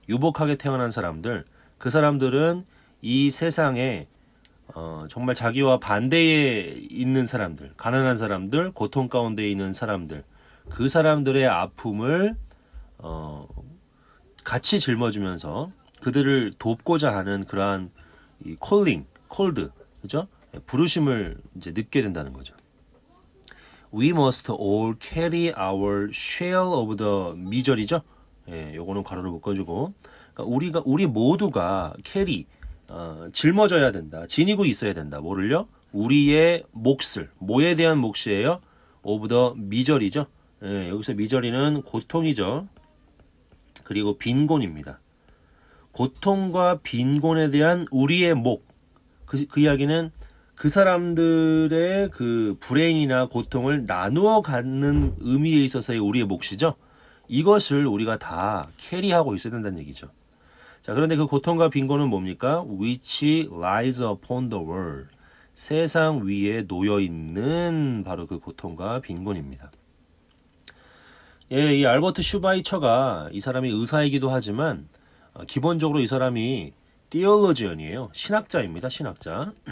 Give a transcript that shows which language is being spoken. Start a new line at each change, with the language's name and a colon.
Korean: 유복하게 태어난 사람들. 그 사람들은 이 세상에 정말 자기와 반대에 있는 사람들, 가난한 사람들, 고통 가운데 있는 사람들, 그 사람들의 아픔을 같이 짊어지면서 그들을 돕고자 하는 그러한 이
English: calling, called,
Korean: 그죠? 부르심을 이제 느끼게 된다는 거죠.
English: We must all carry our share of the misery죠.
Korean: 예, 요거는 괄호로 묶어주고, 그러니까 우리 모두가 carry, 짊어져야 된다, 지니고 있어야 된다. 뭐를요? 우리의 몫을, 뭐에 대한 몫이에요?
English: Of the misery죠.
Korean: 예, 여기서 misery는 고통이죠. 그리고 빈곤입니다. 고통과 빈곤에 대한 우리의 목. 그 이야기는 그 사람들의 그 불행이나 고통을 나누어 갖는 의미에 있어서의 우리의 몫이죠. 이것을 우리가 다 캐리하고 있어야 된다는 얘기죠. 자, 그런데 그 고통과 빈곤은 뭡니까?
English: Which lies upon the world.
Korean: 세상 위에 놓여 있는 바로 그 고통과 빈곤입니다. 예, 이 알버트 슈바이처가 이 사람이 의사이기도 하지만 기본적으로 이 사람이 theologian이에요. 신학자입니다. 신학자.